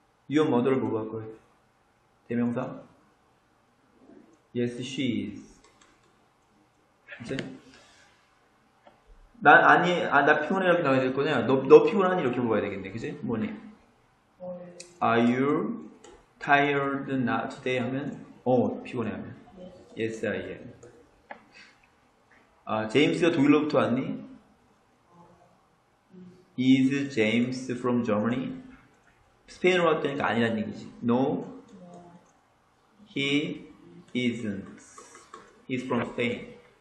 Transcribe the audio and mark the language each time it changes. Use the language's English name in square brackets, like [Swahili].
[English] Your mother [Korean] 를 뭐로 할 거예요? 대명사? [English] Yes, she is. [Korean] 이제 난 아니, 아, 나 피곤해 이렇게 나와야 될 거냐? 너 피곤하니 이렇게 물어봐야 되겠네, 그지? 뭐니? [English] Are you tired not today [Korean] 하면 피곤해 하면 [English] yes I am. [Korean] 아 제임스가 독일로부터 왔니? [English] Is James from Germany? [Korean] 스페인으로 왔다니까 아니란 얘기지. [English] No. He isn't. He's from Spain.